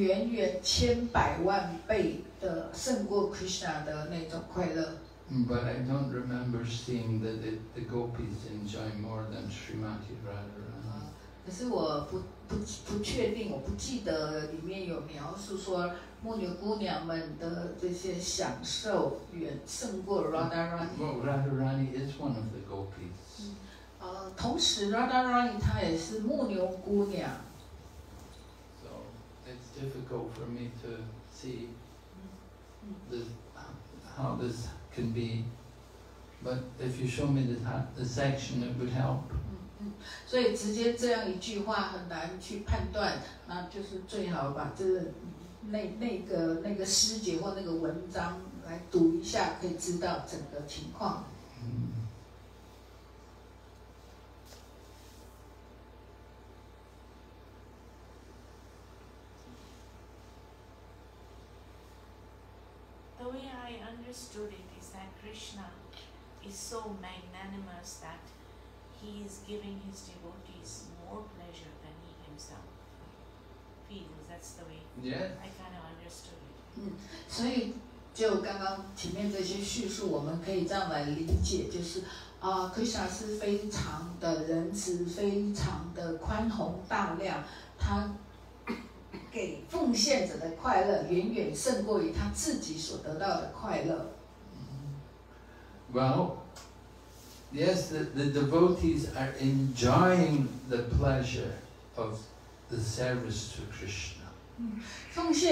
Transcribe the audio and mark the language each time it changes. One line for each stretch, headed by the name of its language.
Chinese: 这怎么样来了解这段叙述？马上说他最好先看他前后文的叙述。肯定的就是牧牛姑娘们的快乐享受的远远千百万倍。胜过 Krishna 的那种快乐。
English: But I don't remember seeing that the gopis enjoy more than Srimati Radharani.
Chinese: 可是我不确定，我不记得里面有描述说牧牛姑娘们的这些享受远胜过 Radharani.
English: Well, Radharani is one of the gopis.
Chinese: 同时 Radharani 她也是牧牛姑娘。
English: So it's difficult for me to see. How this can be, but if you show me the section, it would help.
Chinese: 所以直接这样一句话很难去判断，那就是最好把这那个诗节或那个文章来读一下，可以知道整个情况。
English: Understood it is that Krishna is so magnanimous that he is giving his devotees more pleasure than he himself feels. That's the way I kind of understood it.
Chinese: 所以就刚刚前面这些叙述，我们可以这样来理解，就是啊， Krishna 是非常的仁慈，非常的宽宏大量，他。
English: Well, yes, the devotees are enjoying the pleasure of the service to Krishna.